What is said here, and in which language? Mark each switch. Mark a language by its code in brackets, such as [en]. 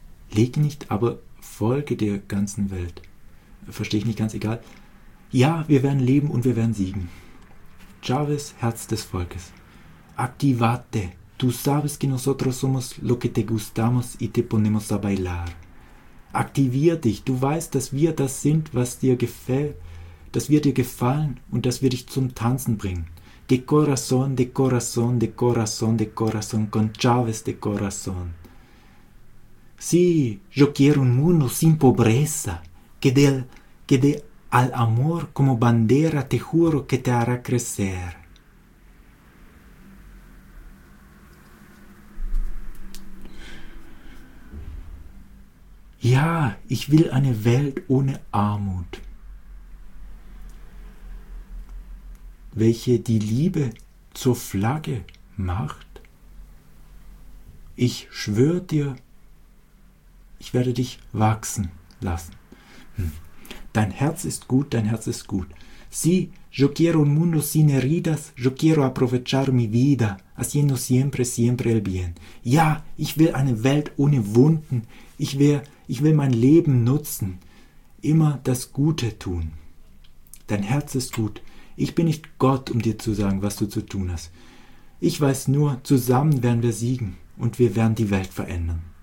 [de] Leg nicht, aber folge der ganzen Welt. Verstehe ich nicht ganz, egal. Ja, wir werden leben und wir werden siegen. Chávez, Herz des Volkes. [en] Activate. [es] Tú sabes que nosotros somos lo que te gustamos y te ponemos a bailar. [de] Aktivier dich. Du weißt, dass wir das sind, was dir gefällt, dass wir dir gefallen und dass wir dich zum Tanzen bringen. [es] De corazón, de corazón, de corazón, de corazón, con Chávez de corazón. Sí, yo quiero un mundo sin pobreza, que dé al amor como bandera, te juro que te hará crecer. [de] Ja, ich will eine Welt ohne Armut, welche die Liebe zur Flagge macht. Ich schwör dir, ich werde dich wachsen lassen. Dein Herz ist gut, dein Herz ist gut. [es] Sí, yo quiero un mundo sin heridas, yo quiero aprovechar mi vida, haciendo siempre, siempre el bien. [de] Ja, ich will eine Welt ohne Wunden, ich will mein Leben nutzen, immer das Gute tun. Dein Herz ist gut. Ich bin nicht Gott, um dir zu sagen, was du zu tun hast. Ich weiß nur, zusammen werden wir siegen und wir werden die Welt verändern.